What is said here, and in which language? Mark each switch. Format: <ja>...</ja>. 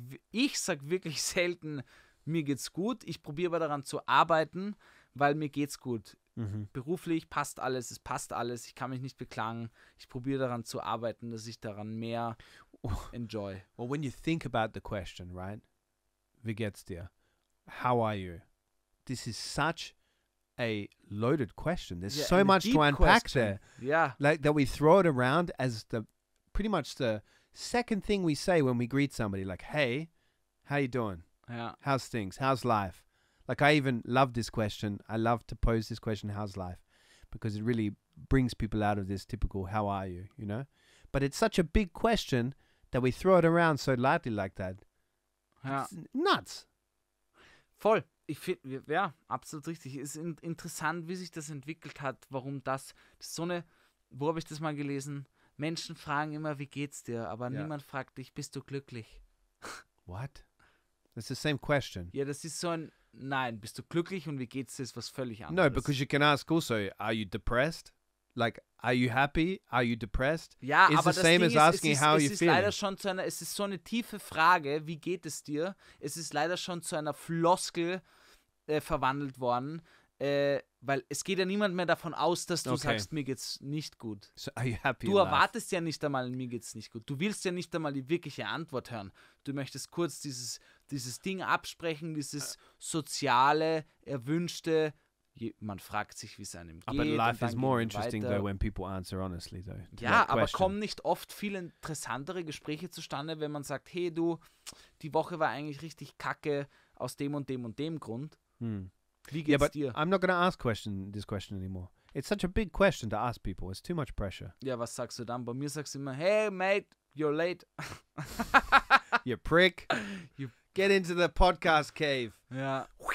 <de>Ich sag wirklich selten, mir geht's gut. Ich probiere aber daran zu arbeiten, weil mir geht's gut. Mhm. Beruflich passt alles, es passt alles. Ich kann mich nicht beklagen. Ich probiere daran zu arbeiten, dass ich daran mehr enjoy.</de> <en>Well, when you think about the question, right?</en> <de>Wie geht's dir?</de> <en>How are you? This is such a loaded question. There's so much to unpack there. Yeah. Like that we throw it around as the pretty much the second thing we say when we greet somebody, like, hey, how you doing? Yeah. How's things? How's life? Like I even love this question. I love to pose this question, how's life? Because it really brings people out of this typical how are you, you know? But it's such a big question that we throw it around so lightly like that. Yeah. It's nuts.</en> <de>Voll. Ich finde, ja, absolut richtig. Es ist interessant, wie sich das entwickelt hat, warum das ist so eine, wo habe ich das mal gelesen? Menschen fragen immer, wie geht's dir? Aber niemand fragt dich, bist du glücklich?</de> <en>What? That's the same question.</en> <de>Ja, das ist so ein, nein, bist du glücklich und wie geht's dir, ist was völlig anderes.</de> <en>No, because you can ask also, are you depressed? Like, are you happy? Are you depressed?</en> <de>Ja,</de> <en>it's</en> <de>aber</de> <en>the same</en> <de>das Ding</de> <en>as asking, how you feel.</en> <de>Es ist so eine tiefe Frage, wie geht es dir? Es ist leider schon zu einer Floskel verwandelt worden, weil es geht ja niemand mehr davon aus, dass du sagst, mir geht's nicht gut.</de> <en>So are you happy?</en> <de>Du erwartest ja nicht einmal, mir geht's nicht gut. Du willst ja nicht einmal die wirkliche Antwort hören. Du möchtest kurz dieses Ding absprechen, dieses soziale, erwünschte. Man fragt sich, wie es einem geht.</de> <en>But life is more interesting, though, when people answer honestly, though.</en> <de>Ja, aber kommen nicht oft viel interessantere Gespräche zustande, wenn man sagt, hey, du, die Woche war eigentlich richtig kacke aus dem und dem und dem Grund. Hmm. Wie geht's dir?</de> <en>I'm not going to ask this question anymore. It's such a big question to ask people. It's too much pressure.</en> <de>Ja, was sagst du dann? Bei mir sagst du immer,</de> <en>hey, mate, you're late. You prick. You get into the podcast cave.</en> <de>Ja.</de>